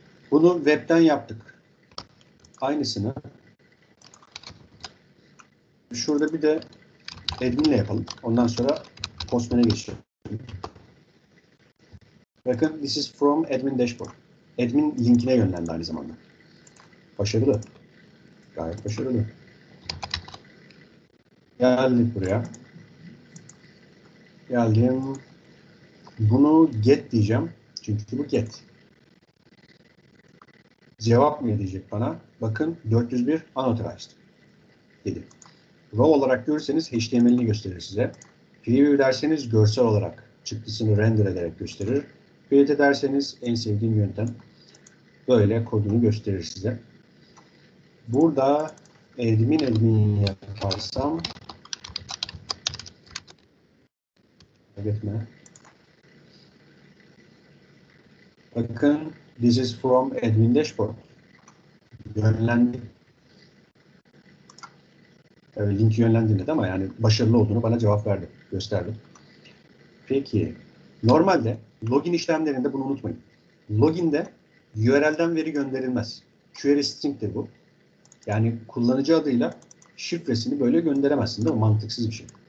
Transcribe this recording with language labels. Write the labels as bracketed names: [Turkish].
[Turkish] Bunu webten yaptık. Aynısını. Şurada bir de admin'le yapalım. Ondan sonra postman'a geçelim. [English] Bakın, this is from admin dashboard. [Turkish] Admin linkine yönlendi aynı zamanda. Başarılı. Gayet başarılı. Geldik buraya. Geldim. Bunu get diyeceğim. Çünkü bu get. Cevap mı edecek bana? Bakın, 401 unauthorized dedi. Raw olarak görürseniz HTML'ini gösterir size. Preview derseniz görsel olarak çıktısını render ederek gösterir. Create derseniz en sevdiğim yöntem böyle kodunu gösterir size. Burada admin yaparsam kaybetme. [English] Bakın, this is from admin dashboard. [Turkish] Yönlendi. Link yönlendirdi ama yani başarılı olduğunu bana cevap verdi, gösterdi. Peki, normalde login işlemlerinde bunu unutmayın. Login'de URL'den veri gönderilmez. Query string de bu. Yani kullanıcı adıyla şifresini böyle gönderemezsin, değil mi? Mantıksız bir şey.